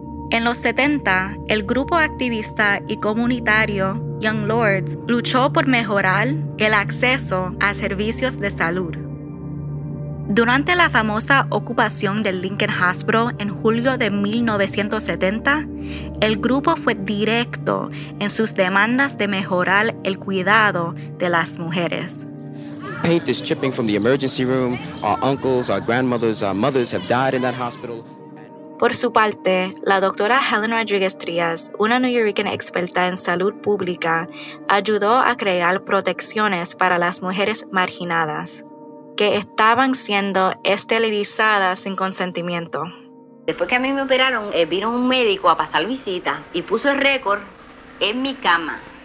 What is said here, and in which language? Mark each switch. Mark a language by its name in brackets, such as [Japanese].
[Spanish] En los 70, el grupo activista y comunitario Young Lords luchó por mejorar el acceso a servicios de salud. Durante la famosa ocupación del Lincoln Hospital en julio de 1970, el grupo fue directo en sus demandas de mejorar el cuidado de las mujeres. [English] Paint is chipping from the emergency room. Our uncles, our grandmothers, our mothers have died in that hospital. [Spanish] Por su parte, la doctora Helen Rodriguez Trias, una New Yorkian experta en salud pública, ayudó a crear protecciones para las mujeres marginadas que estaban siendo esterilizadas sin consentimiento. Después que a mí me operaron, vino un médico a pasar visita y puso el récord en mi cama.